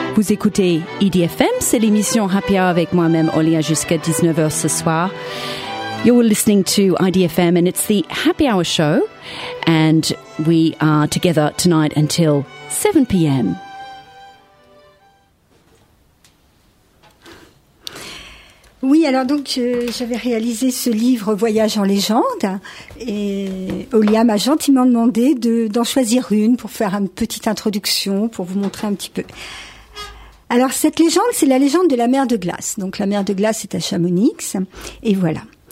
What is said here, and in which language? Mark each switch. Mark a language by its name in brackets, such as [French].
[French] Écoutez EDFM, c'est l'émission Happy Hour avec moi-même, Olia, jusqu'à 19h ce soir. [English] You're listening to EDFM and it's the Happy Hour show and we are together tonight until 7pm. [French] Oui, alors donc j'avais réalisé ce livre Voyage en légende et Olia m'a gentiment demandé d'en choisir une pour faire une petite introduction, pour vous montrer un petit peu. Alors cette légende, c'est la légende de la mer de glace. Donc la mer de glace est à Chamonix, et voilà.